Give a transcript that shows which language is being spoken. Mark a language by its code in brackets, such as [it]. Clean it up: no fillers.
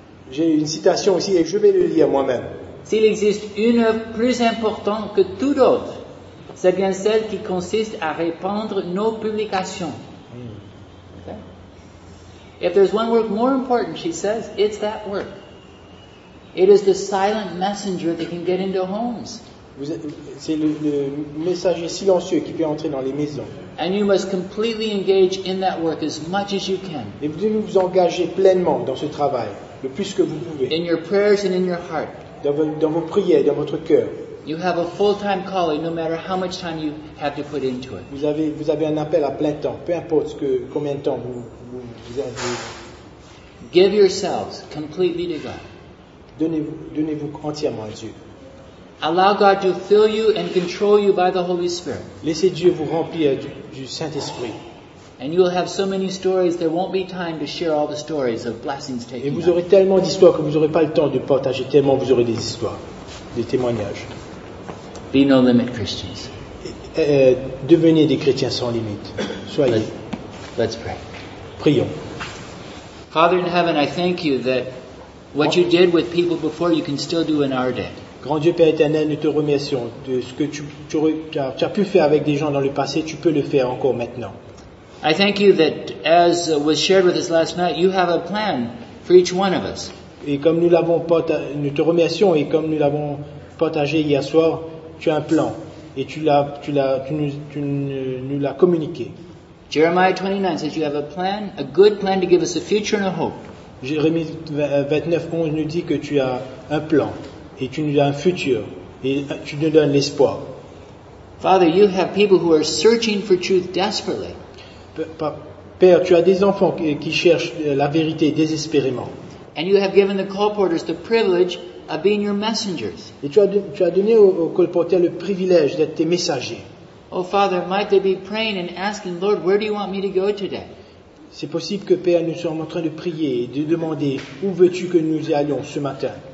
[fr] J'ai une citation ici et je vais le lire moi-même. S'il existe une œuvre plus importante que tout autre, c'est bien celle qui consiste à répandre nos publications. [en] Okay? If there's one work more important, she says, it's that work. It is the silent messenger that can get into homes. [fr] C'est le messager silencieux qui peut entrer dans les maisons. [en] And you must completely engage in that work as much as you can. [fr] Et vous devez vous engager pleinement dans ce travail, le plus que vous pouvez. [en] In your prayers and in your heart. [fr] Dans vos prières, dans votre cœur. [en] You have a full-time calling, no matter how much time you have to put into it. [fr] Vous avez un appel à plein temps, peu importe combien de temps vous avez. [en] Give yourselves completely to God. [fr] Donnez-vous entièrement à Dieu. [en] Allow God to fill you and control you by the Holy Spirit. [fr] Laissez Dieu vous remplir du Saint-Esprit. [en] And you will have so many stories, there won't be time to share all the stories of blessings taken. [fr] Et vous aurez tellement d'histoires que vous n'aurez pas le temps de partager tellement vous aurez des histoires, des témoignages. [en] Be no limit Christians. [fr] Devenez des chrétiens sans limite. Soyez. [en] Let's pray. [fr] Prions. [en] Father in heaven, I thank you that what you did with people before, you can still do in our day. [fr] Grand Dieu Père éternel, nous te remercions de ce que tu as pu faire avec des gens dans le passé, tu peux le faire encore maintenant. [en] I thank you that as was shared with us last night, you have a plan for each one of us. [fr] Et comme nous te remercions et comme nous l'avons partagé hier soir, tu as un plan et tu nous l'as communiqué. [en] Jeremiah 29 says you have a plan, a good plan to give us a future and a hope. [fr] Jérémie 29:11 nous dit que tu as un plan et tu nous as un futur et tu nous donnes l'espoir. [en] Father, you have people who are searching for truth desperately. [fr] Père, tu as des enfants qui cherchent la vérité désespérément. [en] And you have given the colporteurs the privilege of being your messengers. [fr] Et tu as donné aux colporteurs le privilège d'être tes messagers. [en] Oh Father, might they be praying and asking, Lord, where do you want me to go today? [fr] C'est possible que Père nous soit en train de prier et de demander où veux-tu que nous y allions ce matin?